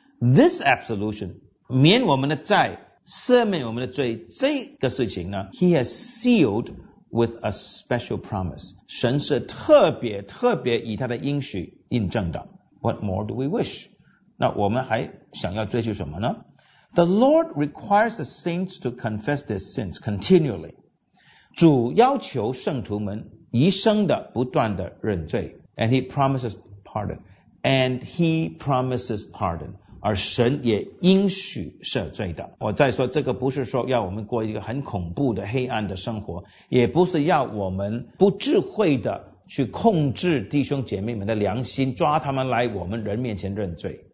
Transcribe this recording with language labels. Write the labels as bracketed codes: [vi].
[en] This absolution， [zh] 免我们的债，赦免我们的罪，这个事情呢 [en] He has sealed with a special promise， [zh] 神是特别特别以他的应许印证的。 [en] What more do we wish？ [zh] 那我们还想要追求什么呢？ [en] The Lord requires the saints to confess their sins continually. [zh] 主要求圣徒们一生的不断的认罪。 [en] And he promises pardon. And he promises pardon. [zh] 而神也应许赦罪的。我再说这个不是说要我们过一个很恐怖的黑暗的生活，也不是要我们不智慧的去控制弟兄姐妹们的良心，抓他们来我们人面前认罪。